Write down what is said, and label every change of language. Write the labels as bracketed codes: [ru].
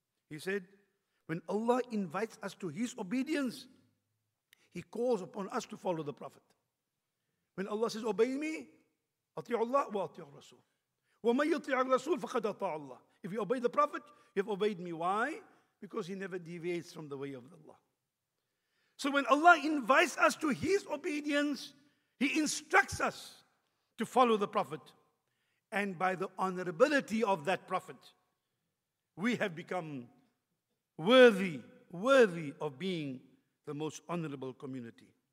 [en] He said, when Allah invites us to His obedience, He calls upon us to follow the Prophet. When Allah says, obey me, [ar] أَطِيعُ اللَّهُ وَأَطِيعُ الرَّسُولِ وَمَنْ يُطِيعُ الرَّسُولِ فَقَدْ أَطَاعَ اللَّهُ. [en] If you obey the Prophet, you have obeyed me. Why? Because he never deviates from the way of Allah. So when Allah invites us to His obedience, He instructs us to follow the Prophet. And by the honorability of that Prophet, we have become worthy of being the most honorable community.